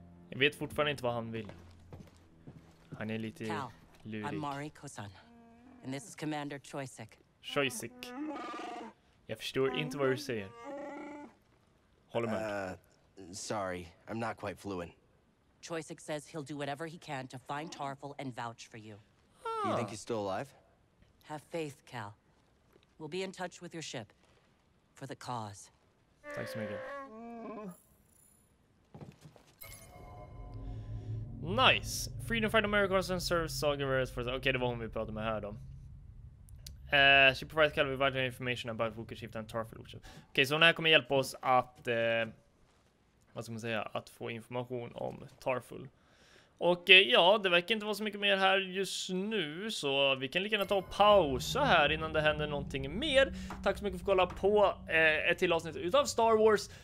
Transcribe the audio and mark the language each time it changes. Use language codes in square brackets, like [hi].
[sv] Jag vet fortfarande inte vad han vill. Han är lite Cal, lurig. [en] I'm Mari Kosan. And this is Commander Choysik. Choysik. [sv] Jag förstår inte vad du säger. Håll med. [en] Sorry, I'm not quite fluent. Choysik says he'll do whatever he can to find Tarful and vouch for you. Huh. You think he's still alive? Have faith, Cal. We'll be in touch with your ship. For the cause. [sv] Tack så mycket. [en] Nice! Freedom Fighter Americans and Service Saga Verus for... [sv] Okej, det var hon vi pratade med här då. [en] She provides Cal with vital information about Vulcan Shift and Tarful. [sv] Okej, så hon här kommer hjälpa oss att... Vad ska man säga? Att få information om Tarful. Och ja, det verkar inte vara så mycket mer här just nu. Så vi kan lika gärna ta och pausa här innan det händer någonting mer. Tack så mycket för att kolla på ett till avsnitt utav Star Wars.